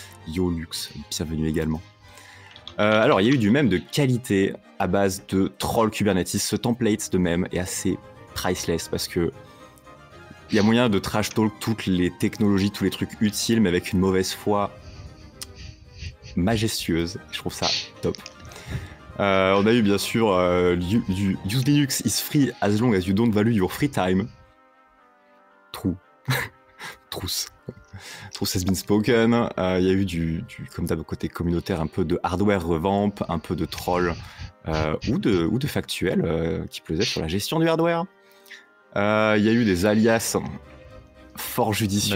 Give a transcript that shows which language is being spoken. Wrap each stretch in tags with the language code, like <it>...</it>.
<fr>Yo Lux, bienvenue également. Alors il y a eu du mème de qualité à base de troll Kubernetes, ce template de mème est assez priceless parce que il y a moyen de trash talk toutes les technologies, tous les trucs utiles, mais avec une mauvaise foi majestueuse, je trouve ça top. On a eu bien sûr du</fr> <en>use Linux is free as long as you don't value your free time. True. Truth has been spoken.</en> <fr>Il y a eu du comme d'hab côté communautaire, un peu de hardware revamp, un peu de troll ou de factuel qui plaisait sur la gestion du hardware. Il y a eu des alias fort judicieux.</fr>